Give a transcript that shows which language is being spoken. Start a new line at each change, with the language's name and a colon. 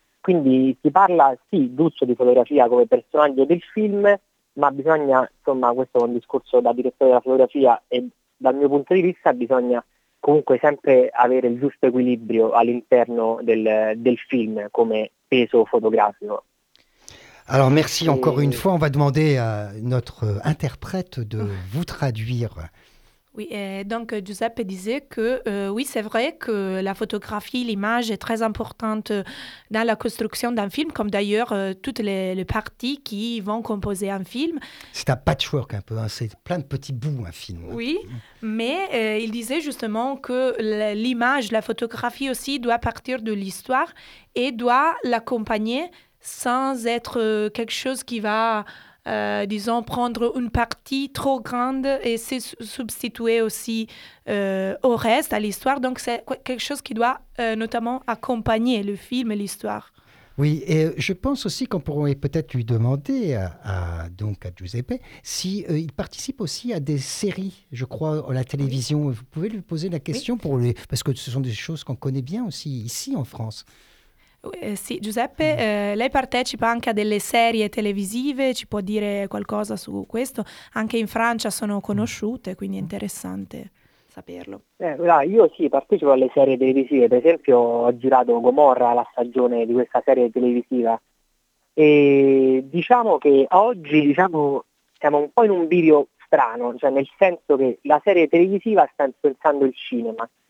Italian: Quindi si parla, sì, Duccio di fotografia come personaggio del film, ma bisogna, insomma, questo è un discorso da direttore della fotografia e dal mio punto di vista bisogna comunque sempre avere il giusto equilibrio all'interno del film come peso fotografico.
French: Alors merci encore une fois, on va demander à notre interprète de vous traduire. Oui, et donc Giuseppe disait que oui, c'est vrai que la photographie, l'image est très importante dans la construction d'un film, comme d'ailleurs toutes les parties qui vont composer un film. C'est un patchwork un peu, hein, c'est plein de petits bouts un film. Oui, mais il disait justement que l'image, la photographie aussi doit partir de l'histoire et doit l'accompagner sans être quelque chose qui va... disons prendre une partie trop grande et se substituer aussi au reste, à l'histoire. Donc c'est quelque chose qui doit notamment accompagner le film et l'histoire. Oui, et je pense aussi qu'on pourrait peut-être lui demander à Giuseppe si il participe aussi à des séries, je crois, à la télévision. Oui. Vous pouvez lui poser la question pour lui, parce que ce sont des choses qu'on connaît bien aussi ici en France.
Italian: Sì, Giuseppe, lei partecipa anche a delle serie televisive, ci può dire qualcosa su questo? Anche in Francia sono conosciute, quindi è interessante saperlo. Io sì, partecipo alle serie televisive, per esempio ho girato Gomorra, la stagione di questa serie televisiva, e diciamo che oggi siamo un po' in un bivio strano, cioè nel senso che la serie televisiva sta influenzando il cinema.